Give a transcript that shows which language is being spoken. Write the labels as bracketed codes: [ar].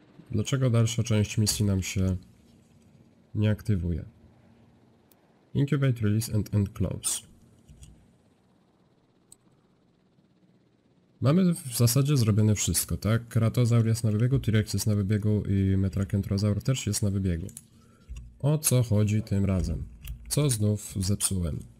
[pl] Dlaczego dalsza część misji nam się nie aktywuje? [en] Incubate, release and close. [pl] Mamy w zasadzie zrobione wszystko, tak? Kratozaur jest na wybiegu, T-Rex jest na wybiegu i Metrakentrozaur też jest na wybiegu. O co chodzi tym razem? Co znów zepsułem?